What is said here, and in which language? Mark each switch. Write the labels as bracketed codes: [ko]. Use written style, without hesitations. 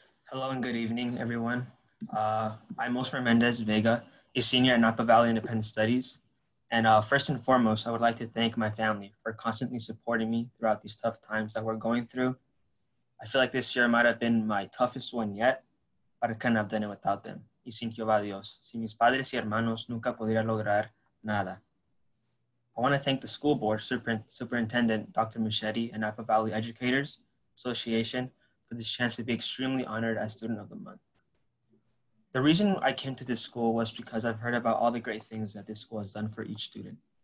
[en] Hello and good evening, everyone. I'm Osmar Mendez Vega, a senior at Napa Valley Independent Studies. And first and foremost, I would like to thank my family for constantly supporting me throughout these tough times that we're going through. I feel like this year might have been my toughest one yet, but I couldn't have done it without them. [es] Y sin que oba Dios, sin mis padres y hermanos, nunca podría lograr nada. [en] I want to thank the school board, Superintendent Dr. Machete, and Napa Valley Educators Association for this chance to be extremely honored as Student of the Month. The reason I came to this school was because I've heard about all the great things that this school has done for each student.